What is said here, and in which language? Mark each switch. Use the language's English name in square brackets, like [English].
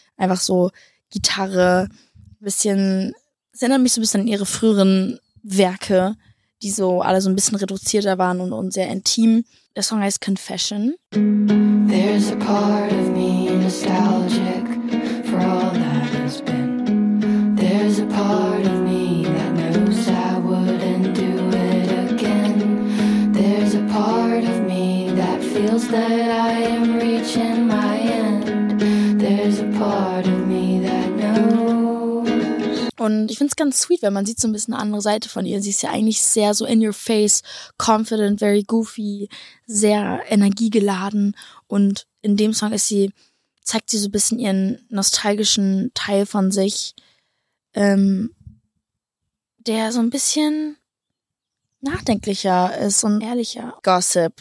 [German] Einfach so Gitarre, bisschen, es erinnert mich so ein bisschen an ihre früheren Werke, die so alle so ein bisschen reduzierter waren und sehr intim. Der Song heißt Confession. [English] There's a part of me nostalgic for all that has been. There's a part of me that knows I wouldn't do it again. There's a part of me that feels that I am reaching my end. There's a part of me that knows. [German] Und ich find's ganz sweet, weil man sieht so ein bisschen eine andere Seite von ihr. Sie ist ja eigentlich sehr so [English] in your face, confident, very goofy, [German] sehr energiegeladen. Und in dem Song zeigt sie so ein bisschen ihren nostalgischen Teil von sich, der so ein bisschen nachdenklicher ist und ehrlicher. Gossip.